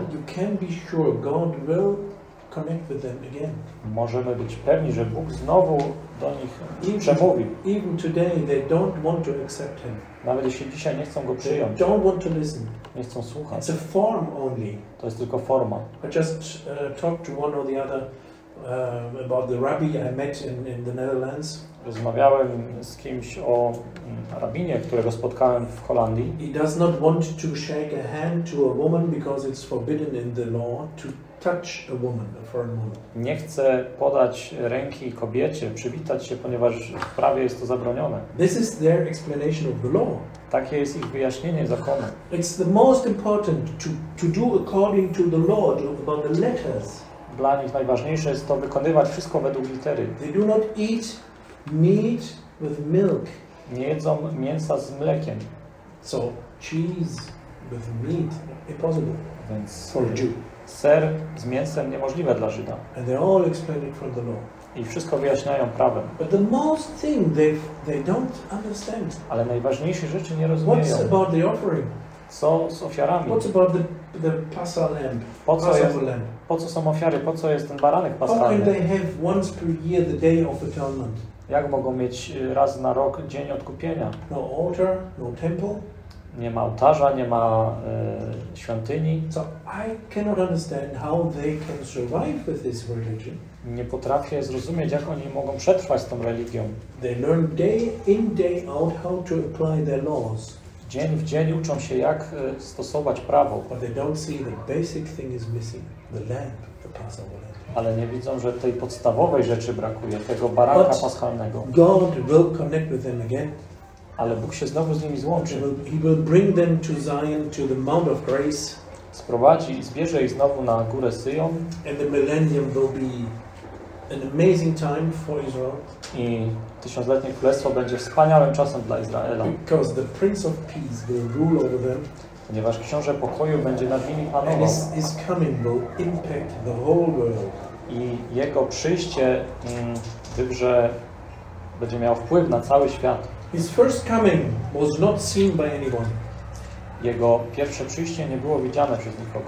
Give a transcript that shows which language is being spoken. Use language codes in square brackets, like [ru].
[en] you can be sure God will connect with them again. [pl] Możemy być pewni, że Bóg znowu do nich przemówi. [en] Even today they don't want to accept Him. [pl] Nawet jeśli dzisiaj nie chcą Go przyjąć. [en] They don't want to listen. [pl] Nie chcą słuchać. [en] It's a form only. [pl] To jest tylko forma. [en] I just talked to one or the other about the rabbi I met in the Netherlands. [pl] Rozmawiałem z kimś o rabinie, którego spotkałem w Holandii. [en] He does not want to shake a hand to a woman because it's forbidden in the law to touch a woman, a foreign woman. [pl] Nie chce podać ręki kobiecie, przywitać się, ponieważ w prawie jest to zabronione. [en] This is their explanation of the law. [pl] Takie jest ich wyjaśnienie zakonu. [en] It's the most important to do according to the law about the letters. [pl] Dla nich najważniejsze jest to wykonywać wszystko według litery. [en] They do not eat meat with milk. [pl] Nie jedzą mięsa z mlekiem. [en] So cheese with meat impossible. [pl] Więc [en] for a Jew. [pl] Ser z mięsem niemożliwe dla Żyda. [en] And they all explain it from the law. [pl] I wszystko wyjaśniają prawem. [en] But the most thing they don't understand. [pl] Ale najważniejsze rzeczy nie rozumieją. [en] What's about the offering? [pl] Co z ofiarami? [en] What's about the Pascha lamb? [pl] Po co są ofiary? Po co jest ten baranek paschalny? [en] How can they have once per year the Day of Atonement? [pl] Jak mogą mieć raz na rok dzień odkupienia? [en] No altar, no temple. [pl] Nie ma ołtarza, nie ma świątyni. [en] So I cannot understand how they can survive with this religion. [pl] Nie potrafię zrozumieć, jak oni mogą przetrwać z tą religią. [en] They learn day in day out how to apply their laws. [pl] Dzień w dzień uczą się, jak stosować prawo. [en] But they don't see the basic thing is missing, the lamp, the Passover lamp. [pl] Ale nie widzą, że tej podstawowej rzeczy brakuje, tego baranka [en] But [pl] paschalnego. [en] God will connect with them again. [pl] Ale Bóg się znowu z nimi złączy. [en] He will bring them to Zion, to the Mount of Grace. [pl] Sprowadzi i zbierze ich znowu na górę Syjon. [en] And the millennium will be an amazing time for Israel. [pl] I tysiącletnie królestwo będzie wspaniałym czasem dla Izraela. [en] Because the Prince of Peace will rule over them. [pl] Ponieważ Książę Pokoju będzie nad nimi panował. [en] His coming will impact the whole world. [pl] I Jego przyjście wybrze, będzie miał wpływ na cały świat. [en] His first coming was not seen by anyone. [pl] Jego pierwsze przyjście nie było widziane przez nikogo.